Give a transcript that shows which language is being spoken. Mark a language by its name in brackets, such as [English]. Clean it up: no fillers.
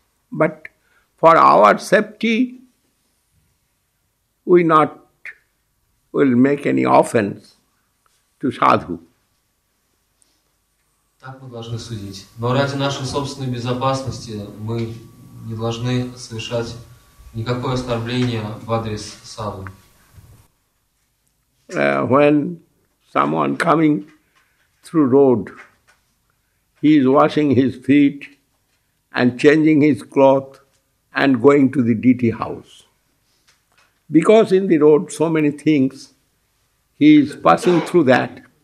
[English] But for our safety, we not will make any offense to sadhu. [Russian] Так мы должны судить. Но ради нашей собственной безопасности мы не должны совершать никакое оскорбление в адрес садху. [English] When someone coming through road, he is washing his feet and changing his cloth and going to the deity house. Because in the road so many things, he is passing through that.